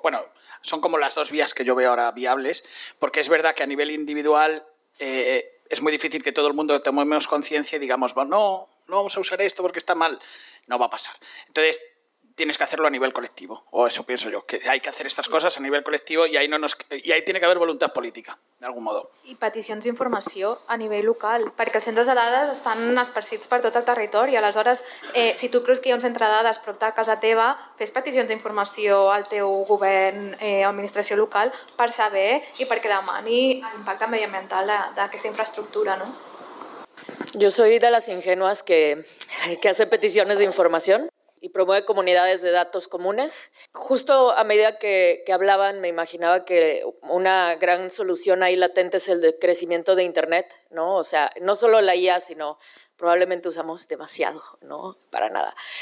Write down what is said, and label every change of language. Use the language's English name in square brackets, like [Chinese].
[Spanish] Bueno, son como las dos vías que yo veo ahora viables, porque es verdad que a nivel individual es muy difícil que todo el mundo tomemos conciencia y digamos, bueno, no vamos a usar esto porque está mal. No va a pasar. Entonces, tienes que hacerlo a nivel colectivo. O eso pienso yo, que hay que hacer estas cosas a nivel colectivo y ahí, no nos, y ahí tiene que haber voluntad política, de algún modo. [Catalan] I peticions d'informació a nivell local, perquè els centres de dades estan esparcits per tot el territori. Aleshores, si tu creus que hi ha un centre de dades prop de casa teva, fes peticions d'informació al teu govern, administració local, per saber i perquè demani l'impacte mediambiental d'aquesta infraestructura, no? [Spanish] Yo soy de las ingenuas que hace peticiones de información y promueve comunidades de datos comunes. Justo a medida que hablaban, me imaginaba que una gran solución ahí latente es el crecimiento de Internet, ¿no? O sea, no solo la IA, sino probablemente usamos demasiado, ¿no? Para nada.